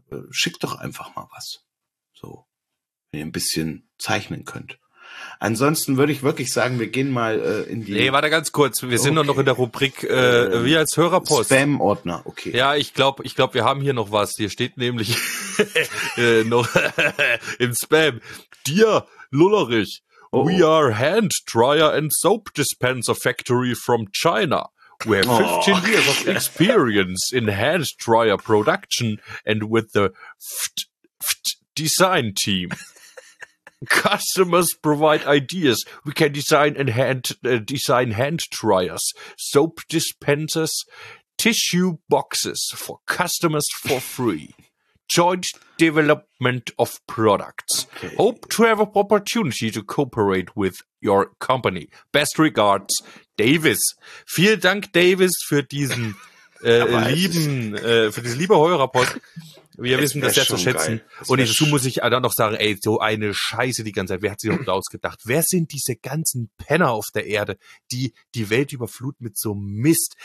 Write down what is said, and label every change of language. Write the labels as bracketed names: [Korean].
[German] Schickt doch einfach mal was. So. Wenn ihr ein bisschen zeichnen könnt. Ansonsten würde ich wirklich sagen, wir gehen mal in die... Nee, warte ganz kurz. Wir sind doch noch in der Rubrik wir als Hörerpost. Spam-Ordner, okay. Ja, ich glaube, wir haben hier noch was. Hier steht nämlich noch im Spam. [English] Dear Lullerich, we are hand dryer and soap dispenser factory from China. We have 15 years of experience in hand dryer production and with the FT design team. Customers provide ideas. We can design and design hand dryers, soap dispensers, tissue boxes for customers for free. Joint development of products. Okay. Hope to have an opportunity to cooperate with your company. Best regards, Davis. [German] Vielen Dank, Davis, für diesen für dieses liebe Heurerpost. Wir wissen das sehr zu schätzen. Und dazu muss ich dann noch sagen, ey, so eine Scheiße die ganze Zeit. Wer hat sich überhaupt ausgedacht? Wer sind diese ganzen Penner auf der Erde, die die Welt überfluten mit so Mist?